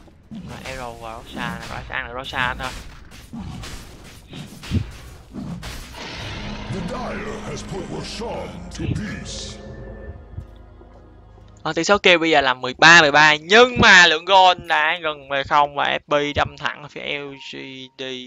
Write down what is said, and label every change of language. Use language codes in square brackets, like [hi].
[vi] Và Arrow và Roshan, và sẽ ăn được Roshan thôi. [en] The Dire has put Roshan to peace. [vi] Tỷ số kêu bây giờ là 13-13 nhưng mà lượng gold đã gần về không và FP đâm thẳng ở phía LGD.